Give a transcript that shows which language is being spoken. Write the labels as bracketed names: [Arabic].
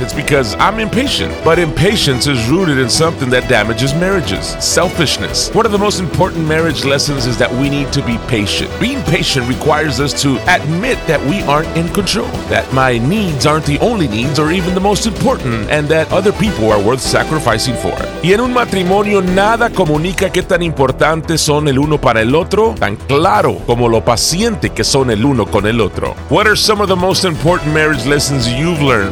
[English] It's because I'm impatient. But impatience is rooted in something that damages marriages: selfishness. One of the most important marriage lessons is that we need to be patient. Being patient requires us to admit that we aren't in control, that my needs aren't the only needs or even the most important, and that other people are worth sacrificing for. [Spanish] Y en un matrimonio nada comunica indica qué tan importantes son el uno para el otro, tan claro como lo paciente que son el uno con el otro. [English] What are some of the most important marriage lessons you've learned?